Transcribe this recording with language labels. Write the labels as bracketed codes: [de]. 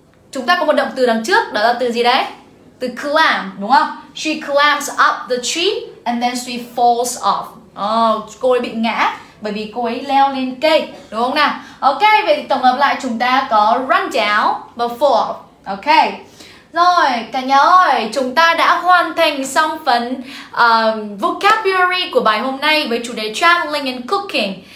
[vi] Chúng ta có một động từ đằng trước, đó là từ gì đấy? Từ climb, đúng không? [en] She climbs up the tree and then she falls off. [vi] Cô ấy bị ngã bởi vì cô ấy leo lên cây, đúng không nào? Ok, vậy thì tổng hợp lại chúng ta có run down và fall. Ok, rồi cả nhà ơi, chúng ta đã hoàn thành xong phần vocabulary của bài hôm nay với chủ đề traveling and cooking.